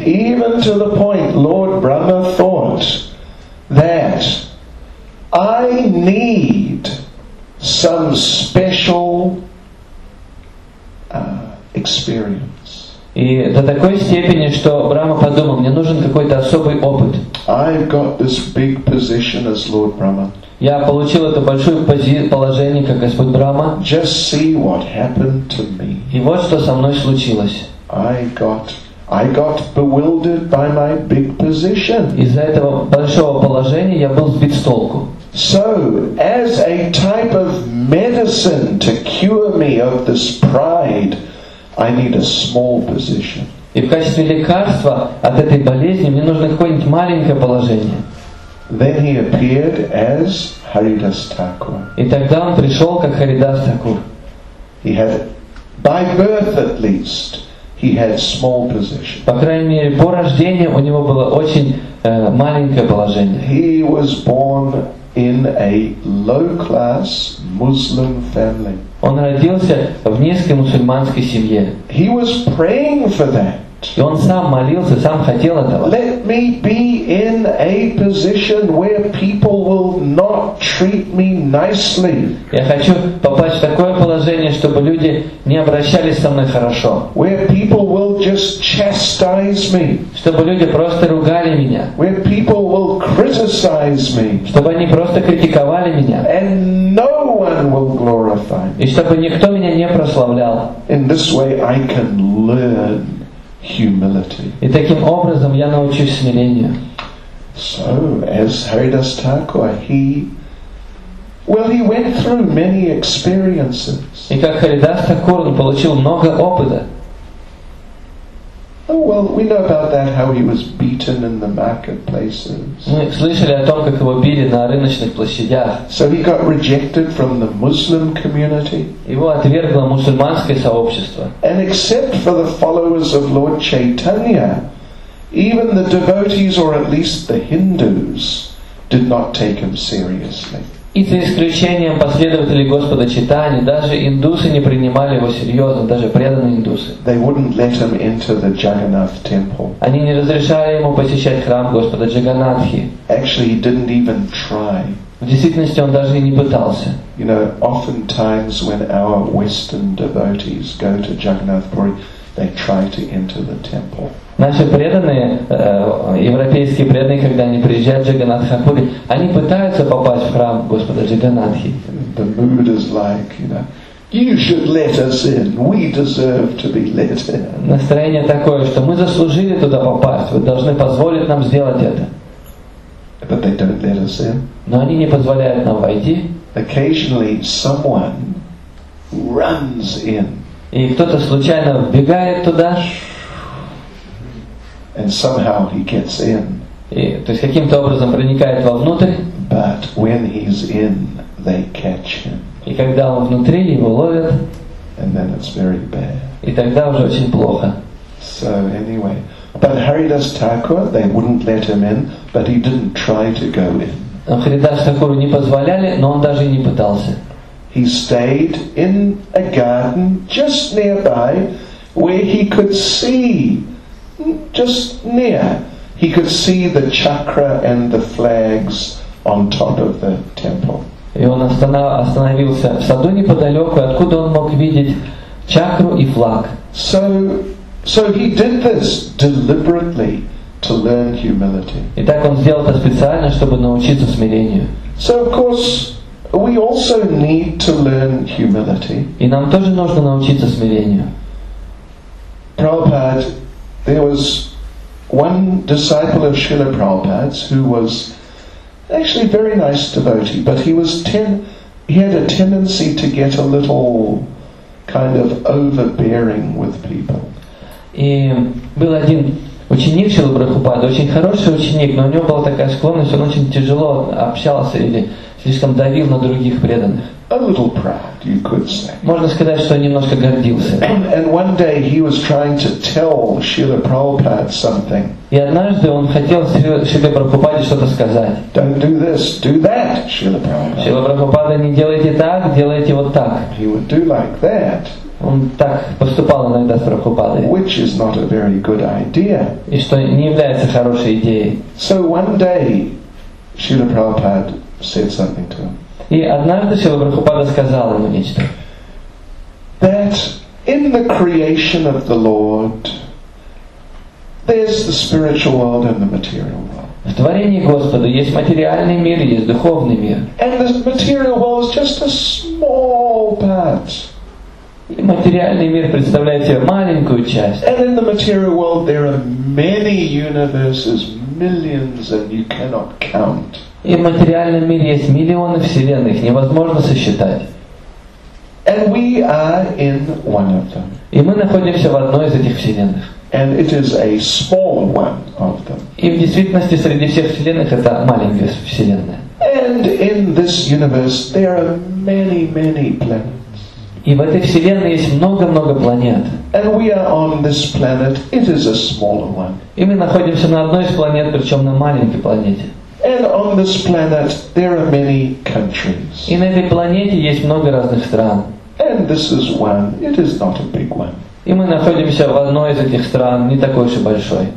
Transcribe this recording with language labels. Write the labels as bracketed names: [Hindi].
[English] Even to the point, Lord Brahma thought that I need some special experience. [Russian] И до такой степени, что Брама подумал, мне нужен какой-то особый опыт. [English] I've got this big position as Lord Brahma. [Russian] Я получил это большое положение как Господь Брама. [English] Just see what happened to me. [Russian] И вот что со мной случилось. [English] I got bewildered by my big position. [Russian] Из-за этого большого положения я был сбит с толку. [English] So, as a type of medicine to cure me of this pride, I need a small position. [Russian] И в качестве лекарства от этой болезни мне нужно какое-нибудь маленькое положение. [English] Then he appeared as Haridas Thakur. [Russian] И тогда он пришел как Харидас Такур. [English] He had, by birth at least, he had small position. [Russian] По крайней мере, по рождению у него было очень маленькое положение. [English] He was born in a low-class Muslim family. [Russian] Он родился в низкой мусульманской семье. [English] He was praying for that. [Russian] И он сам молился, сам хотел этого. [English] Let me be in a position where people will not treat me nicely. [Russian] Я хочу попасть в такое положение, чтобы люди не обращались со мной хорошо. [English] Where people will just chastise me. [Russian] Чтобы люди просто ругали меня. [English] Where people will criticize me. [Russian] Чтобы они просто критиковали меня. [English] And no one will glorify me. [Russian] И чтобы никто меня не прославлял. [English] In this way I can learn humility. [Russian] И таким образом я научусь смирению. [English] So, as Haridas Thakur, he went through many experiences. [Russian] И как Харидас Такур, он получил много опыта. [English] Oh, well, we know about that, how he was beaten in the marketplaces. [Russian] Мы слышали о том, как его били на рыночных площадях. [English] So he got rejected from the Muslim community. [Russian] Его отвергло мусульманское сообщество. [English] And except for the followers of Lord Chaitanya, even the devotees, or at least the Hindus, did not take him seriously. [Russian] И за исключением последователей Господа Чайтаньи, даже индусы не принимали его серьезно, даже преданные индусы. [English] They wouldn't let him enter the Jagannath temple. [Russian] Они не разрешали ему посещать храм Господа Джаганатхи. [English] Actually, he didn't even try. [Russian] В действительности он даже и не пытался. [English] You know, oftentimes when our Western devotees go to Jagannath Puri, they try to enter the temple. [Russian] Наши преданные, европейские преданные, когда они приезжают в Джаганатхапури, они пытаются попасть в храм Господа Джаганатхи. [English] The mood is like, you know, you should let us in. We deserve to be let in. [Russian] Настроение такое, что мы заслужили туда попасть. Вы должны позволить нам сделать это. [English] But they don't let us in. [Russian] Но они не позволяют нам войти. [English] Occasionally someone runs in. [Russian] И кто-то случайно вбегает туда. [English] And somehow he gets in. [Russian] И, то есть каким-то образом проникает вовнутрь. [English] But when he's in, they catch him. [Russian] И когда он внутри, его ловят. [English] And then it's very bad. [Russian] И тогда уже очень плохо. [English] So anyway. But Haridas Thakur, they wouldn't let him in, but he didn't try to go in. [Russian] Но Харидас Такуру не позволяли, но он даже и не пытался. [English] He stayed in a garden just nearby where he could see. Just near, he could see the chakra and the flags on top of the temple. [Russian] И он остановился в саду неподалеку, откуда он мог видеть чакру и флаг. [English] So he did this deliberately to learn humility. [Russian] И так он сделал это специально, чтобы научиться смирению. [English] So of course, we also need to learn humility. [Russian] И нам тоже нужно научиться смирению. [English] Prabhupada. There was one disciple of Srila Prabhupada's who was actually a very nice devotee, but he had a tendency to get a little kind of overbearing with people. [Russian] И был один ученик Шрилы Прабхупады, очень хороший ученик, но у него была такая склонность, он очень тяжело общался или слишком давил на других преданных. [English] A little proud, you could say. [Russian] Можно сказать, что он немножко гордился. [English] And one day he was trying to tell Srila Prabhupada something. [Russian] И однажды он хотел Шриле Прабхупаде что-то сказать. [English] Don't do this, do that, Srila Prabhupada. [Russian] Шрила Прабхупада, не делайте так, делайте вот так. [English] He would do like that. [Russian] Он так поступал иногда с Прабхупадой. [English] Which is not a very good idea. [Russian] И что не является хорошей идеей. [English] So one day Srila Prabhupada said something to him. [Russian] И однажды Шрила Прабхупада сказал ему нечто. [English] That in the creation of the Lord there's the spiritual world and the material world. [Russian] В творении Господа есть материальный мир и есть духовный мир. [English] And the material world is just a small part. [Russian] И материальный мир представляет себе маленькую часть. [English] And in the material world there are many universes, millions, and you cannot count. [Russian] И в материальном мире есть миллионы вселенных, невозможно сосчитать. [English] And we are in one of them. [Russian] И мы находимся в одной из этих вселенных. [English] And it is a small one of them. [Russian] И в действительности среди всех вселенных это маленькая вселенная. [English] And in this universe there are many, many planets. [Russian] И в этой вселенной есть много-много планет. [English] And we are on this planet. It is a smaller one. [Russian] И мы находимся на одной из планет, причем на маленькой планете. [English] And on this planet there are many countries. [Russian] И на этой планете есть много разных стран. [English] And this is one. It is not a big one. [Russian] И мы находимся в одной из этих стран, не такой уж и большой.